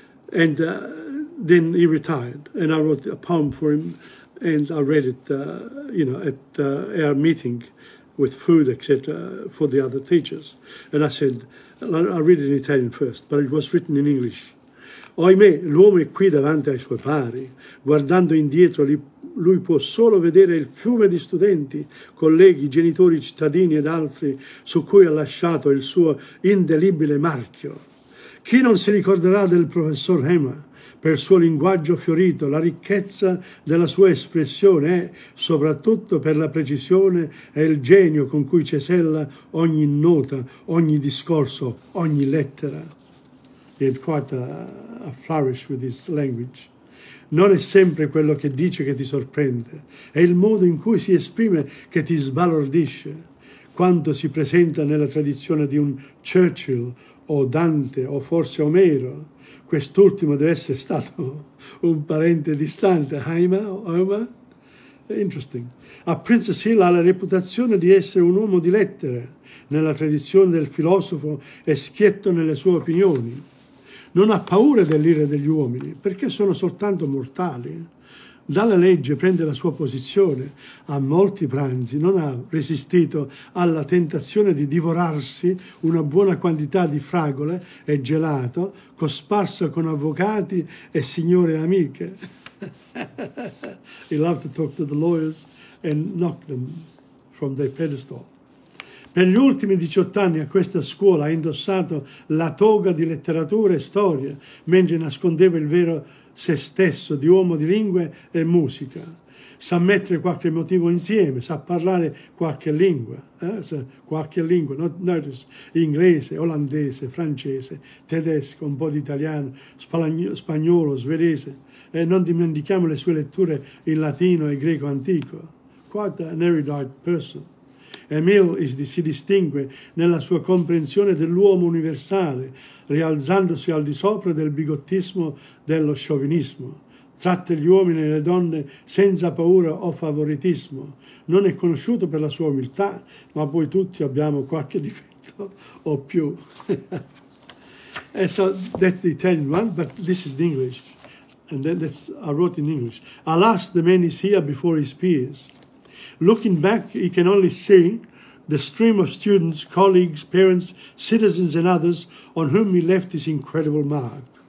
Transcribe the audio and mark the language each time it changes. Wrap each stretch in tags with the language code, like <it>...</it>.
<en>And then he retired, and I wrote a poem for him, and I read it, at our meeting with food, etc., for the other teachers. And I said, I read it in Italian first, but it was written in English.</en> <it>Oimè, l'uomo è qui davanti ai suoi pari, guardando indietro lui può solo vedere il fiume di studenti, colleghi, genitori, cittadini ed altri su cui ha lasciato il suo indelibile marchio. Chi non si ricorderà del professor Hema per il suo linguaggio fiorito, la ricchezza della sua espressione e soprattutto per la precisione e il genio con cui cesella ogni nota, ogni discorso, ogni lettera.</it> <en>He had quite a flourish with his language.</en> <it>Non è sempre quello che dice che ti sorprende, è il modo in cui si esprime che ti sbalordisce. Quanto si presenta nella tradizione di un Churchill o Dante o forse Omero, quest'ultimo deve essere stato un parente distante. Hamer, Omer?</it> <en>Interesting.</en> <it>A Princess Hill ha la reputazione di essere un uomo di lettere, nella tradizione del filosofo e schietto nelle sue opinioni. Non ha paura dell'ira degli uomini, perché sono soltanto mortali. Dalla legge prende la sua posizione. A molti pranzi non ha resistito alla tentazione di divorarsi una buona quantità di fragole e gelato cosparsa con avvocati e signore e amiche.</it> <en>He loved to talk to the lawyers and knock them from their pedestal.</en> <it>Per gli ultimi 18 anni a questa scuola ha indossato la toga di letteratura e storia, mentre nascondeva il vero se stesso di uomo di lingue e musica. Sa mettere qualche motivo insieme, sa parlare qualche lingua. Notice, inglese, olandese, francese, tedesco, un po' di italiano, spagnolo, svedese. Non dimentichiamo le sue letture in latino e greco antico.</it> <en>Quite an erudite person.</en> <it>Emil si distingue nella sua comprensione dell'uomo universale, rialzandosi al di sopra del bigottismo dello sciovinismo. Tratta gli uomini e le donne senza paura o favoritismo. Non è conosciuto per la sua umiltà, ma poi tutti abbiamo qualche difetto o più.</it> <en>And so that's the Italian one, but this is the English. And then that's, I wrote in English. Alas, the man is here before his peers. Looking back, he can only see the stream of students, colleagues, parents, citizens and others on whom he left his incredible mark.</en>